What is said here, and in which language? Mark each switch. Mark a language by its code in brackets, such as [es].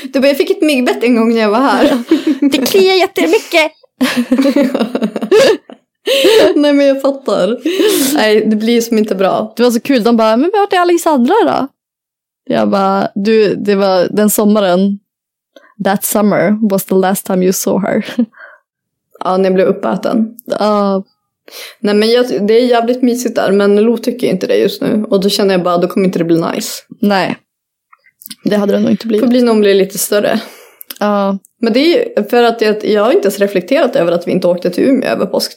[sv] Du bara, jag fick ett myggbett en gång när jag var här. Det kliar jättemycket. Nej, men jag fattar. Nej, det blir som inte bra. Det var så kul, de bara, men vart är Alexandra då? Jag bara, du, det var den sommaren. [en] That summer was the last time you saw her. [sv] Ja, när jag blev uppäten. Ja. Nej, men det är jävligt mysigt där. Men Lo tycker inte det just nu. Och då känner jag bara, då kommer inte det bli nice. Nej. Det hade det nog inte blivit. Det får bli när hon blir lite större. Ja. Men det är för att jag har inte ens reflekterat över att vi inte åkte till Umeå över påsk.